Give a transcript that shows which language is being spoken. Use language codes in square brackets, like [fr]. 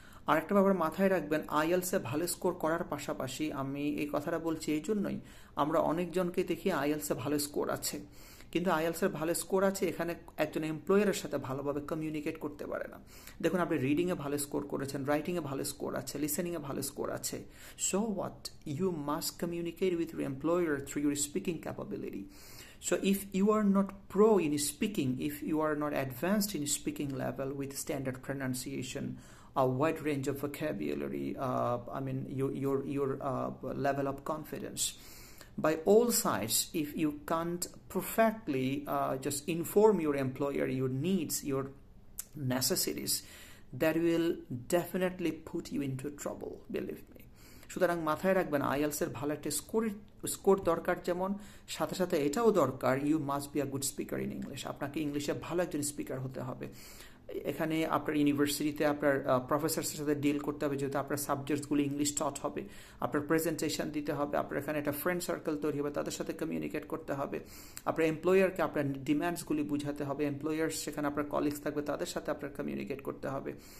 [bn] আর একটা ব্যাপার মাথায় রাখবেন, আইএলসে ভালো স্কোর করার পাশাপাশি আমি এই কথাটা বলছি এই জন্যই, আমরা অনেকজনকে দেখি আইএলসে ভালো স্কোর আছে, কিন্তু আইএলসের ভালো স্কোর আছে এখানে একজন এমপ্লয়ারের সাথে ভালোভাবে কমিউনিকেট করতে পারে না। দেখুন আপনি রিডিংয়ে ভালো স্কোর করেছেন, রাইটিংয়ে ভালো স্কোর আছে, লিসেনিংয়ে ভালো স্কোর আছে, [en] So what, you must communicate with your employer through your speaking capability. So if you are not pro in speaking, if you are not advanced in speaking level with standard pronunciation, a wide range of vocabulary, I mean your level of confidence, by all sides, if you can't perfectly just inform your employer your needs, your necessities, that will definitely put you into trouble, believe me. [bn] সুতরাং মাথায় রাখবেন IELTS এর ভালো একটা score দরকার, যেমন সাথে সাথে এটাও দরকার, [en] you must be a good speaker in English, [bn] আপনাকে ইংলিশে ভালো একজন স্পিকার হতে হবে। এখানে আপনার ইউনিভার্সিটিতে আপনার প্রফেসরের সাথে ডিল করতে হবে, যেহেতু আপনার সাবজেক্টসগুলো ইংলিশ টট হবে, আপনার প্রেজেন্টেশন দিতে হবে, আপনার এখানে একটা ফ্রেন্ড সার্কেল তৈরি হবে, তাদের সাথে কমিউনিকেট করতে হবে, আপনার এমপ্লয়ারকে আপনার ডিম্যান্ডসগুলি বুঝাতে হবে, এমপ্লয়ার সেখানে আপনার কলিগস থাকবে তাদের সাথে আপনার কমিউনিকেট করতে হবে।